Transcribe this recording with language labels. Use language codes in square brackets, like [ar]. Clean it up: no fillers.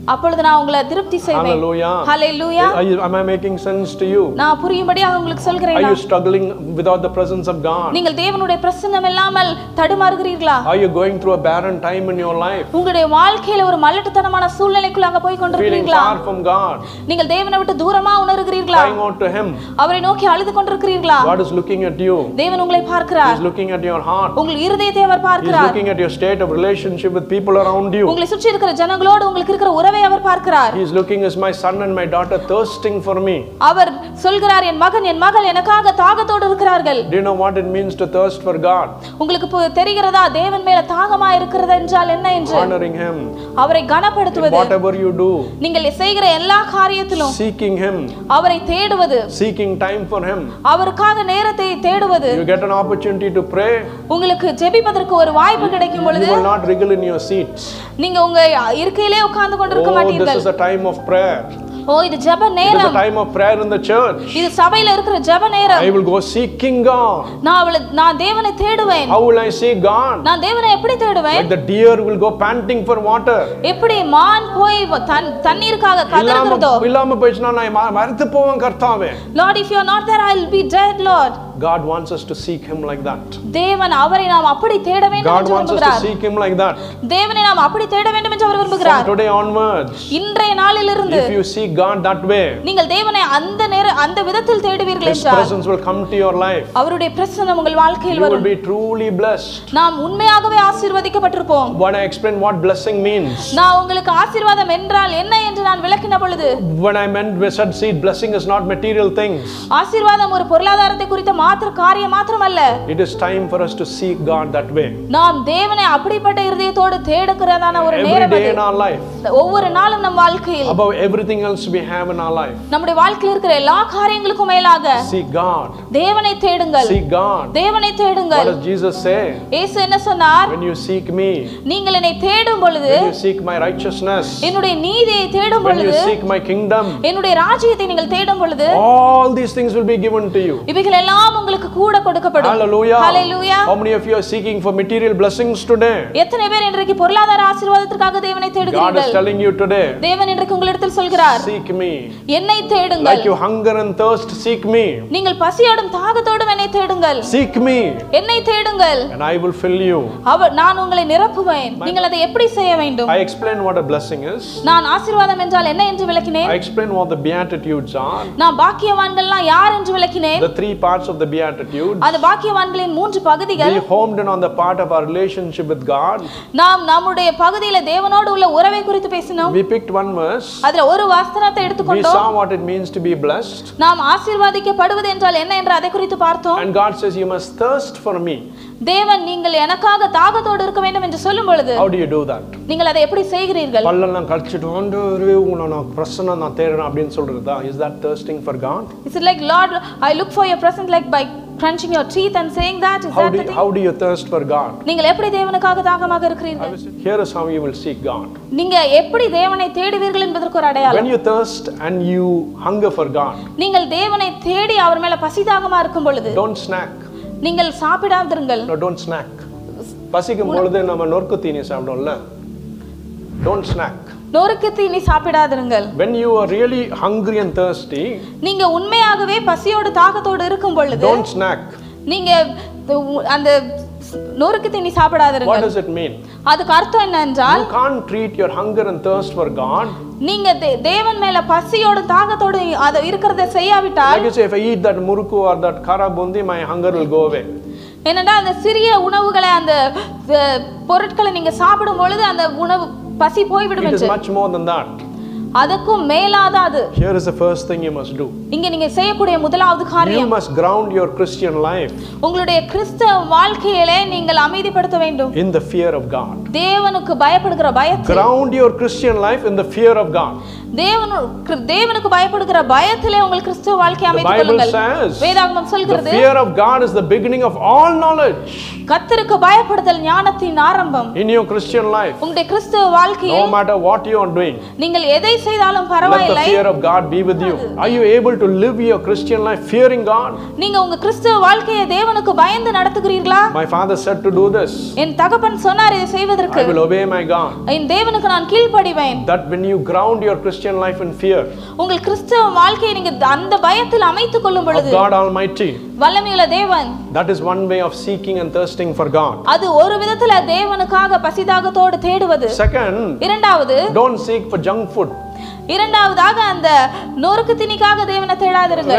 [ta] appozhudhu na ungala திருப்தி செய்வேன். [en] Hallelujah. Hallelujah. Am I making sense to you? [ta] நான் புரியும்படியாக உங்களுக்கு சொல்கிறேன். [en] Are you struggling without the presence of God? [ta] நீங்கள் தேவனுடைய பிரசன்னம் இல்லாமல் தடுமாறுகிறீர்களா? [en] Are you going through a barren time in your life? [ta] உங்களுடைய வாழ்க்கையில ஒரு மலட்டுத்தனமான சூழ்நிலைக்குள்ளாக போய் கொண்டிருக்கிறீர்களா? [en] Feeling far from God. [ta] நீங்கள் தேவனை விட்டு தூரமா உணர்கிறீர்களா? [en] Crying out to him. [ta] அவரை நோக்கி அழுது கொண்டிருக்கிறீர்களா? [en] God is looking at you. [ta] தேவன் உங்களை பார்க்கிறார். [en] He is looking at your heart. [ta] உங்கள் இருதயத்தை அவர் பார்க்கிறார். [en] He is looking at your state of relationship with people around you. [ta] உங்களை சுற்றி இருக்கிற ஜனங்களோடு உங்களுக்கு இருக்கிற உறவை அவர் பார்க்கிறார். [en] He is looking as my son and my daughter thirsting for me. [ta] அவர் சொல்கிறார் என் மகன் என் மகள் எனக்காக தாகத்தோடு இருக்கிறார்கள். [en] Do you know what it means to thirst for God? [ta] உங்களுக்கு தெரிகிறதா தேவன் மேல் தாகமா இருக்கிறது என்றால் என்ன என்று? [en] Honoring him. [ta] அவரை கனப்படுத்துவது. [en] Whatever you do. [ta] நீங்கள் செய்கிற எல்லா காரியத்திலும். [en] Seeking him. [ta] அவரை தேடுவது. [en] Seeking time for him. [ta] அவருக்காக நேரத்தை தேடுவது. [en] You get an opportunity to pray. [ta] உங்களுக்கு ஜெபிப்பதற்கு ஒரு வாய்ப்பு கிடைக்கும் பொழுது. [en] You will not wriggle in your seats. [ta] நீங்க உங்க இருக்கையிலே உட்கார்ந்து கொண்டிருக்க மாட்டீர்கள். [en] It's a time of prayer. [ta] Oh, இது ஜெப நேரம். [en] It is a time of prayer in the church. [ta] இது சபையில இருக்கிற ஜெப நேரம். [en] I will go seeking God. [ta] நான் தேவனை தேடுவேன். [en] How will I seek God? [ta] நான் தேவனை எப்படி தேடுவேன்? [en] Like the deer will go panting for water. [ta] எப்படி மான் போய் தண்ணீருக்காக கதறுகிறதோ. இல்லாம போயிச்சுனா நான் மரத்து போவேன் கர்த்தாவே. [en] Lord, if you are not there, I'll be dead, Lord. God wants us to seek him like that. [ta] தேவன் அவரை நாம் அப்படி தேட வேண்டும் என்று விரும்புகிறார். [en] God wants us to seek him like that. [ta] தேவனை நாம் அப்படி தேட வேண்டும் என்று அவர் விரும்புகிறார். [en] From today onwards. [ta] இன்றைய நாளிலிருந்து. [en] If you seek God that way. [ta] நீங்கள் தேவனை அந்த நேர அந்த விதத்தில் தேடுவீர்கள் [en] என்றால். His presence will come to your life. [ta] அவருடைய பிரசன்னம் உங்கள் வாழ்க்கையில் வரும். [en] You will be truly blessed. [ta] நாம் உண்மையாகவே ஆசீர்வதிக்கப்பட்டிருப்போம். [en] When I explain what blessing means. [ta] நான் உங்களுக்கு ஆசீர்வாதம் என்றால் என்ன என்று நான் விளக்கின பொழுது. [en] When I meant we said seed blessing is not material things. [ta] ஆசீர்வாதம் ஒரு பொருளாதாரத்தை குறித்த மாத்திர காரியம் மட்டுமல்ல. [en] It is time for us to seek God that way. [ta] நாம் தேவனை அப்படிப்பட்ட இதயத்தோடு தேடுகிறதான ஒரு நேரம் [en] அது. Every day in our life. [ta] ஒவ்வொரு நாளும் நம் வாழ்க்கையில். [en] Above everything else we have in our life. [ta] நம்முடைய வாழ்க்கையில் இருக்கிற எல்லா காரியங்களுக்கும் மேலாக. [en] Seek God. [ta] தேவனை தேடுங்கள். [en] Seek God. [ta] தேவனை தேடுங்கள். [en] What does Jesus say? [ta] இயேசு என்ன சொன்னார்? [en] When you seek me. [ta] நீங்கள் என்னை தேடும் பொழுது. [en] When you seek my righteousness. [ta] என்னுடைய நீதியை தேடும் பொழுது. [en] When you seek my kingdom. [ta] என்னுடைய ராஜ்யத்தை நீங்கள் தேடும் பொழுது. [en] All these things will be given to you. [ta] இவைகள் எல்லாம் உங்களுக்கு கூட கொடுக்கப்படும். [en] Hallelujah. Hallelujah. How many of you are seeking for material blessings today? [ta] எத்தனை பேர் இன்றைக்கு பொருளாதார ஆசீர்வாதத்திற்காக தேவனை தேடுகிறீர்கள்? [en] God is telling you today. [ta] தேவன் இன்றைக்கு உங்களிடத்தில் சொல்கிறார். [en] Seek me. [ta] என்னை தேடுங்கள். [en] Like you hunger and thirst, seek me. [ta] நீங்கள் பசியோடும் தாகத்தோடும் என்னை தேடுங்கள். [en] Seek me. [ta] என்னை தேடுங்கள். [en] And I will fill you. [ta] நான் உங்களை நிரப்புவேன். நீங்கள் அதை எப்படி செய்ய வேண்டும்? [en] I explain what a blessing is. [ta] நான் ஆசீர்வாதம் என்றால் என்ன என்று விளக்கினேன். [en] I explain what the beatitudes are. [ta] நான் பாக்கியவான்கள் எல்லாம் யார் என்று விளக்கினேன். [en] The three parts of the the beatitudes. [ta] அந்த பாக்கியவான்களின் மூன்று பகுதிகள். [en] We homed in on the part of our relationship with God. [ta] நாம் நம்முடைய பகுதியில் தேவனோடு உள்ள உறவை குறித்து பேசினோம். [en] We picked one verse. [ta] அதுல ஒரு வசனத்தை எடுத்துக்கொண்டோம். [en] We saw what it means to be blessed. [ta] நாம் ஆசீர்வதிக்கப்படுவது என்றால் என்ன என்று அதை குறித்து பார்த்தோம். [en] And God says you must thirst for me. [ta] தேவன் நீங்கள் எனக்காக தாகத்தோடு இருக்க வேண்டும் என்று சொல்லும் பொழுது [en] How do you do that? [ta] நீங்கள் அதை எப்படி செய்கிறீர்கள்? பல்லெல்லாம் கழிச்சிட்டு ஆண்டவரே உங்களை நான் பிரசன்னம் நான் தேறேன் அப்படின்னு சொல்றதா [en] Is that thirsting for God? It's like Lord I look for your presence like by crunching your teeth and saying that is how that do, how do you thirst for God? [ta] நீங்கள் எப்படி தேவனுக்காக தாகமாக இருக்கிறீர்கள்? [en] Here is how you will seek God. [ta] நீங்க எப்படி தேவனை தேடுவீர்கள் என்பதற்கு ஒரு அடையாளம். [en] When you thirst and you hunger for God. [ta] நீங்கள் தேவனை தேடி அவர் மேல் பசிதாகமா இருக்கும் பொழுது [en] Don't snack. [ta] நீங்கள் சாப்பிடாதிருங்கள். [en] No, don't snack. [ta] பசிக்கும் பொழுது நம்ம நொறுக்கு தீனி சாப்பிடுவோம்ல. [en] Don't snack. When you are really hungry and thirsty, [ta] நீங்க உண்மையாகவே பசியோடு தாகத்தோடு இருக்கும் பொழுது [en] Don't snack. [ta] நீங்க அந்த நொறுக்கு தீனி சாப்பிடாதிருங்கள். [en] What does it mean? [ta] அதுக்கு அர்த்தம் என்னன்றால் [en] You can't treat your hunger and thirst for God. [ta] நீங்க தேவன் மேல பசியோடு தாகத்தோடு அது இருக்கறத செய்யாவிட்டால் [en] Like you say, if I eat that murukku or that kara bundi, my hunger will go away. [ta] என்னடா அந்த சிறிய உணவுகளை அந்த பொருட்களை நீங்க சாப்பிடும் பொழுது அந்த உணவு பசி போய் விடும் [en] என்று It is much more than that. [ta] அதற்கும் மேலாக அது [en] Here is the first thing you must do. [ta] இங்க நீங்க செய்யக்கூடிய முதலாவது காரியம் [en] You must ground your Christian life. [ta] உங்களுடைய கிறிஸ்தவ வாழ்க்கையிலே நீங்கள் அமைதிப்படுத்த வேண்டும் [en] In the fear of God. [ta] தேவனுக்கு பயப்படுகிற பயத்தில் [en] Ground your Christian life in the fear of God. [ta] தேவனுக்கு பயப்படுகிற பயத்திலே உங்கள் கிறிஸ்தவ வாழ்க்கை அமைத்துக் கொள்ளுங்கள். [en] The Bible says, [ta] வேதாகமம் சொல்கிறது, [en] The fear of God is the beginning of all knowledge. [ta] கர்த்தருக்கு பயப்படுதல் ஞானத்தின் ஆரம்பம். [en] In your Christian life, [ta] உங்கள் கிறிஸ்தவ வாழ்க்கையில், [en] No matter what you are doing, [ta] நீங்கள் எதை செய்தாலும் பரவாயில்லை. [en] Let the fear of God be with you. Are you able to live your Christian life fearing God? [ta] நீங்க உங்கள் கிறிஸ்தவ வாழ்க்கையை தேவனுக்கு பயந்து நடத்துகிறீர்களா? [en] My father said to do this. [ta] என் தகப்பன் சொன்னார் இதை செய்வதற்கு. [en] I will obey my God. [ta] என் தேவனுக்கு நான் கீழ்ப்படிவேன். [en] That when you ground your Christian life in fear. [ta] உங்கள் கிறிஸ்தவ வாழ்க்கையை நீங்க அந்த பயத்தில் அமைத்துக் கொள்ளும் பொழுது [en] God Almighty. [ta] வல்லமையுள்ள தேவன். [en] That is one way of seeking and thirsting for God. [ta] அது ஒரு விதத்துல தேவனுக்காக பசிதாகத்தோடு தேடுவது. [en] Second. [ta] இரண்டாவது [en] Don't seek for junk food. [ta] இரண்டாவதாக அந்த நொறுக்கு தீனிக்காக தேவனை தேடாதிருங்கள்.